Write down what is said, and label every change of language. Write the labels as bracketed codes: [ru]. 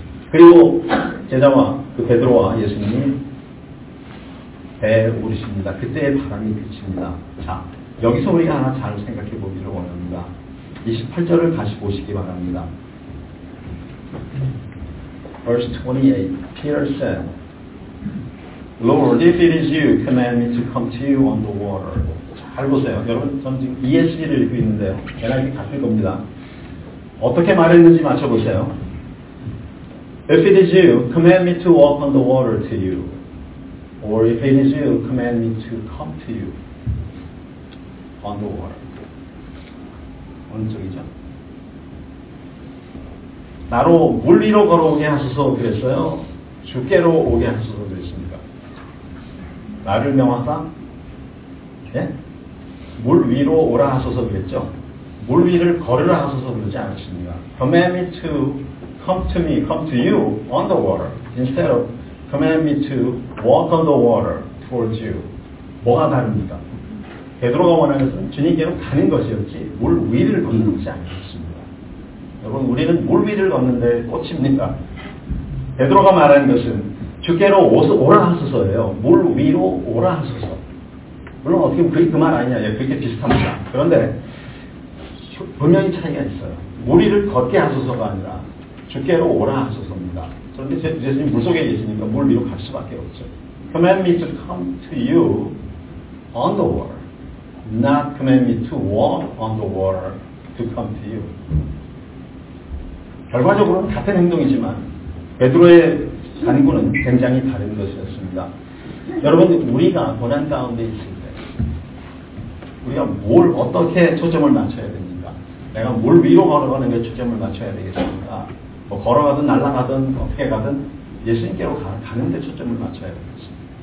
[ko] 그리고 제자와 그 베드로와 예수님이 배에 오르십니다. 그때의 바람이 그칩니다. 자, 여기서 우리가 하나 잘 생각해 보기를 원합니다. 28절을 다시 보시기 바랍니다. [en] Verse 28. Peter said, "Lord, if it is you, command me to come to you on the water." [ko] 잘 보세요. 여러분, 저는 지금 ESV를 읽고 있는데요. 대략이 같을 겁니다. 어떻게 말했는지 맞춰보세요. [en] If it is you, command me to walk on the water to you. Or if it is you, command me to come to you on the water. [ko] 어느 쪽이죠? 나로 물 위로 걸어오게 하소서 그랬어요? 주께로 오게 하소서 그랬습니까? 나를 명하사? 예? 물 위로 오라 하소서 그랬죠? 물 위를 걸으라 하소서 그러지 않았습니까? [en] Command me to come to me, come to you on the water instead of command me to walk on the water towards you. [ko] 뭐가 다릅니까? 베드로가 원하는 것은 주님께로 가는 것이었지 물 위를 걷는 것이 아니었습니다. 여러분, 우리는 물 위를 걷는데 꽃입니까? 베드로가 말하는 것은 주께로 오라 하소서예요. 물 위로 오라 하소서. 물론 어떻게 보면 그게 그 말 아니냐. 예, 그렇게 비슷합니다. 그런데 분명히 차이가 있어요. 무리를 걷게 하소서가 아니라 주께로 오라 하소서입니다. 그런데 예수님 물속에 계시니까 물 위로 갈 수밖에 없죠. [en] Command me to come to you on the water. Not command me to walk on the water to come to you. [ko] 결과적으로는 같은 행동이지만 베드로의 간구는 굉장히 다른 것이었습니다. 여러분, 우리가 고난 가운데 있을 때 우리가 뭘 어떻게 초점을 맞춰야 됩니까? 내가 물 위로 걸어가는 데 초점을 맞춰야 되겠습니까? 뭐 걸어가든 날아가든 어떻게 가든 예수님께로 가는 데 초점을 맞춰야 되겠습니다.